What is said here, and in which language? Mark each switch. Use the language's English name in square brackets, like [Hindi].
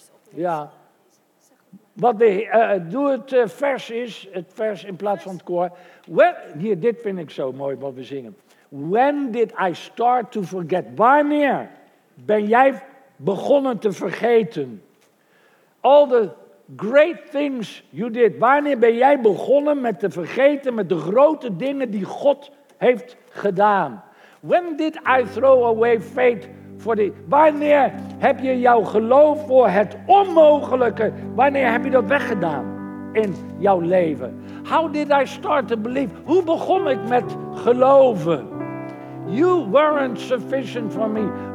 [Dutch] Ja, wat de, doe het vers is, het vers in plaats van het koor. Hier, dit vind ik zo mooi wat we zingen. [English] When did I start to forget? [Dutch] Wanneer ben jij begonnen te vergeten? [English] All the great things you did. [Dutch] Wanneer ben jij begonnen met te vergeten met de grote dingen die God heeft gedaan? [English] When did I throw away faith? [Dutch] Wanneer heb je jouw geloof voor het onmogelijke, wanneer heb je dat weggedaan in jouw leven? [English] How did I start to believe? [Dutch] Hoe begon ik met geloven? [English] You weren't sufficient for me.